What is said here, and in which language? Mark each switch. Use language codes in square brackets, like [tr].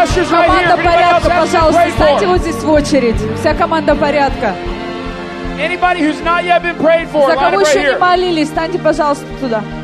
[ru] Команда порядка, пожалуйста, встаньте вот здесь в очередь. Вся команда порядка. [en] Anybody who's not yet been prayed for, [ru] за кого еще [en] right [ru] не молились, встаньте, пожалуйста, туда.